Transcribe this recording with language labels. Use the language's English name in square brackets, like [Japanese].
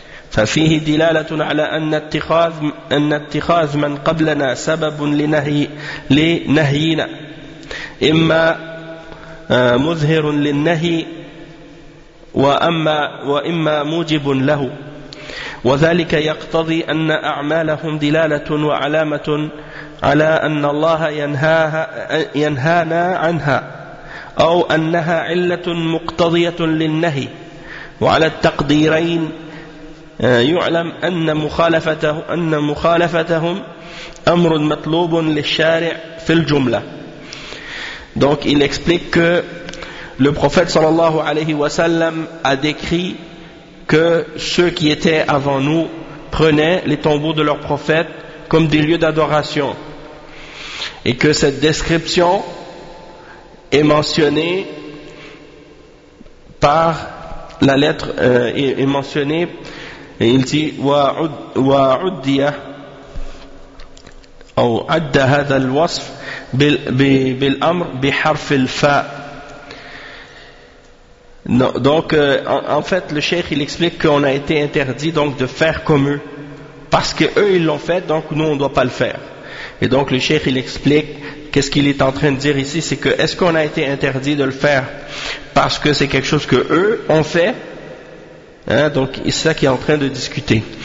[Arabic] ففيه دلالة على أن اتخاذ من قبلنا سبب لنهينا، إما مظهر للنهي وإما موجب له، وذلك يقتضي أن أعمالهم دلالة وعلامة على أن الله ينهانا عنها، أو أنها علة مقتضية للنهي. وعلى التقديرين يعلم أن مخالفتهم أمر مطلوب للشارع في الجملة. [French] Donc il explique que le prophète sallallahu alayhi wa sallam a décrit que ceux qui étaient avant nous prenaient les tombeaux de leurs prophètes comme des lieux d'adoration, et que cette description est mentionnée par la lettre, est mentionnée [Arabic] قلتي وعدي أو عد هذا الوصف بالأمر بحرف الفاء. [French] Donc en fait le cheikh il explique qu'on a été interdit donc de faire comme eux parce que eux ils l'ont fait, donc nous on doit pas le faire. Et donc le cheikh il explique qu'est-ce qu'il est en train de dire ici, c'est que est-ce qu'on a été interdit de le faire parce que c'est quelque chose que eux ont fait, hein, donc c'est ça qu'il est en train de discuter.